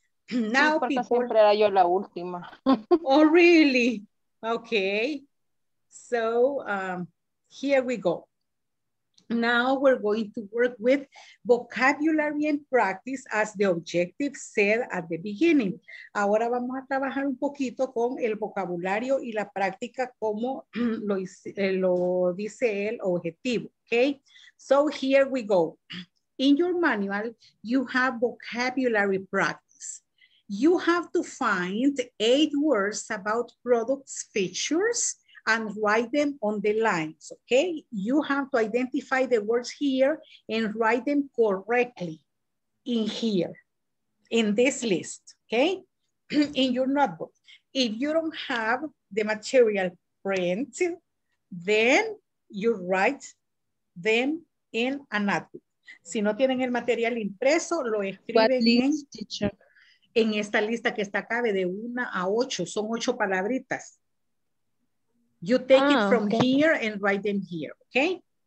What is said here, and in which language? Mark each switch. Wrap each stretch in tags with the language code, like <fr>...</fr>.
<en>Now,</en> <es>sí, people. Siempre era yo la última.</es> <en>Oh, really? Okay. So, here we go. Now we're going to work with vocabulary and practice as the objective said at the beginning. Ahora vamos a trabajar un poquito con el vocabulario y la práctica como lo dice el objetivo, okay? So here we go. In your manual, you have vocabulary practice. You have to find 8 words about products, features, and write them on the lines, okay? You have to identify the words here and write them correctly in here, in this list, okay? In your notebook. If you don't have the material printed, then you write them in a notebook.</en> <es>Si no tienen el material impreso, lo escriben en,</es> <en>teacher,</en> <es>en esta lista que está acá, de 1 a 8, son 8 palabritas.</es> <en>You take it from here and write them here, okay?</en>